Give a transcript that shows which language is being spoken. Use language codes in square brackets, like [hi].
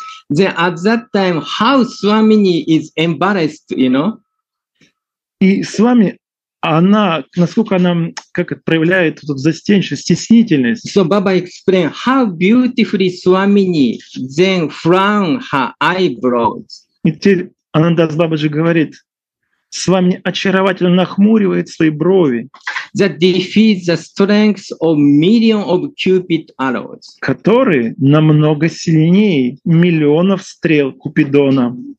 [en] Then at that time how Swamini is embarrassed, you know? [ru] И Свами, она, насколько она как это, проявляет вот, застенчивость, стеснительность. [en] So Baba explained, how beautifully Swamini then frown her eyebrows. [ru] И теперь Анандас Бабаджи говорит, Свами очаровательно нахмуривает свои брови. [en] That defeats the strength of millions of cupid arrows. [ru] Которые намного сильнее миллионов стрел Купидона.